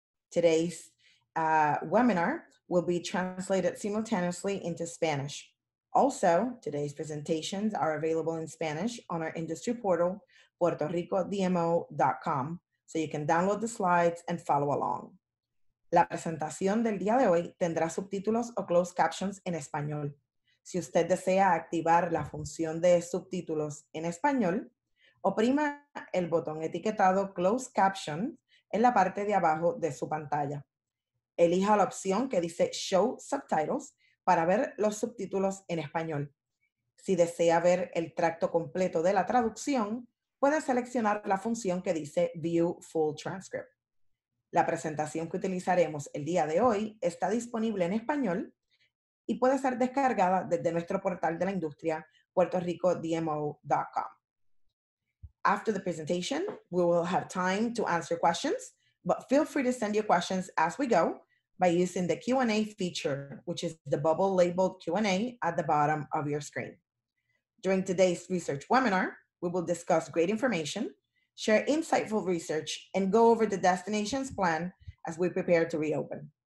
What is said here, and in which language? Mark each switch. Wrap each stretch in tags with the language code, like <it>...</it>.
<en>Today's webinar will be translated simultaneously into Spanish. Also, today's presentations are available in Spanish on our industry portal, puertoricodmo.com, so you can download the slides and follow along.</en> <es>La presentación del día de hoy tendrá subtítulos o closed captions en español. Si usted desea activar la función de subtítulos en español, oprima el botón etiquetado Closed Caption en la parte de abajo de su pantalla. Elija la opción que dice Show Subtitles para ver los subtítulos en español. Si desea ver el tracto completo de la traducción, puede seleccionar la función que dice View Full Transcript. La presentación que utilizaremos el día de hoy está disponible en español y puede ser descargada desde nuestro portal de la industria, puertoricodmo.com.</es> <en>After the presentation, we will have time to answer questions, but feel free to send your questions as we go by using the Q&A feature, which is the bubble labeled Q&A at the bottom of your screen. During today's research webinar, we will discuss great information, share insightful research, and go over the destinations plan as we prepare to reopen.</en>